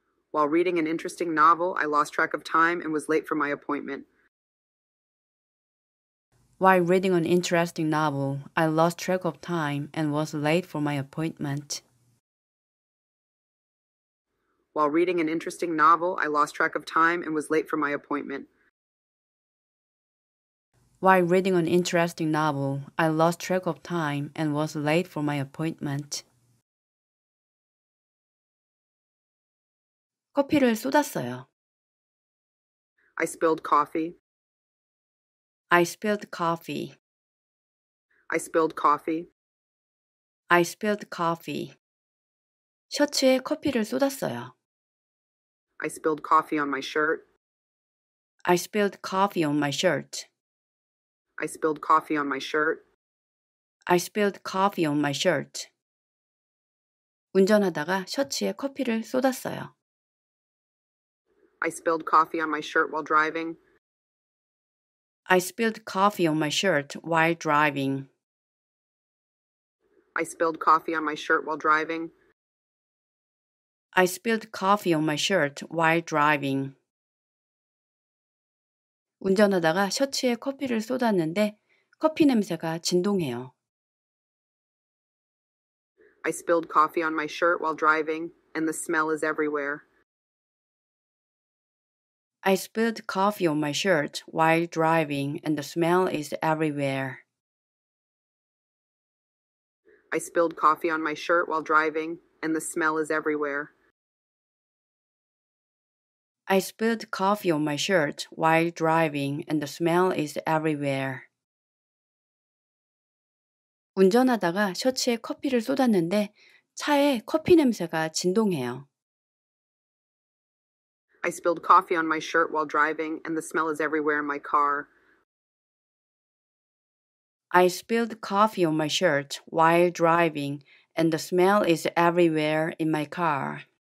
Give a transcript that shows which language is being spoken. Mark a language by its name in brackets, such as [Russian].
[English] While reading an interesting novel, I lost track of time and was late for my appointment. While reading an interesting novel, I lost track of time and was late for my appointment. While reading an interesting novel, I lost track of time and was late for my appointment. While reading an interesting novel, I lost track of time and was late for my appointment. [Korean] 커피를 쏟았어요. [English] I spilled coffee. I spilled coffee. I spilled coffee. I spilled coffee. [Korean] 셔츠에 커피를 쏟았어요. [English] I spilled coffee on my shirt. I spilled coffee on my shirt. I spilled coffee on my shirt. I spilled coffee on my shirt. [Korean] 운전하다가 셔츠에 커피를 쏟았어요. [English] I spilled coffee on my shirt while driving. I spilled coffee on my shirt while driving. I spilled coffee on my shirt while driving. I spilled coffee on my shirt while driving. [Korean] 운전하다가 셔츠에 커피를 쏟았는데 커피 냄새가 진동해요. [English] I spilled coffee on my shirt while driving, and the smell is everywhere. I spilled coffee on my shirt while driving, and the smell is everywhere. I spilled coffee on my shirt while driving, and the smell is everywhere. I spilled coffee on my shirt while driving, and the smell is everywhere. [Korean] 운전하다가 셔츠에 커피를 쏟았는데 차에 커피 냄새가 진동해요. [English] I spilled coffee on my shirt while driving, and the smell is everywhere in my car. I spilled coffee on my shirt while driving, and the smell is everywhere in my car.